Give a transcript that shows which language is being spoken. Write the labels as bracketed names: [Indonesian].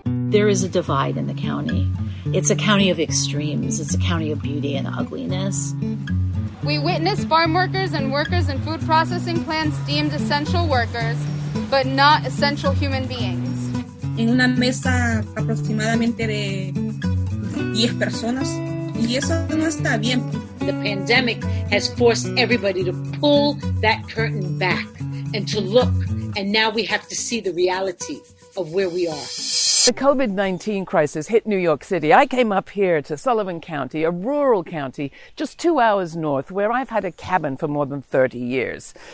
[English] There is a divide in the county. It's a county of extremes. It's a county of beauty and ugliness. We witness farm workers and workers in food processing plants deemed essential workers, but not essential human beings. [Spanish] En una mesa aproximadamente de 10 personas, y eso no está bien. [English] The pandemic has forced everybody to pull that curtain back and to look, and now we have to see the reality of where we are. The COVID-19 crisis hit New York City. I came up here to Sullivan County, a rural county just 2 hours north, where I've had a cabin for more than 30 years.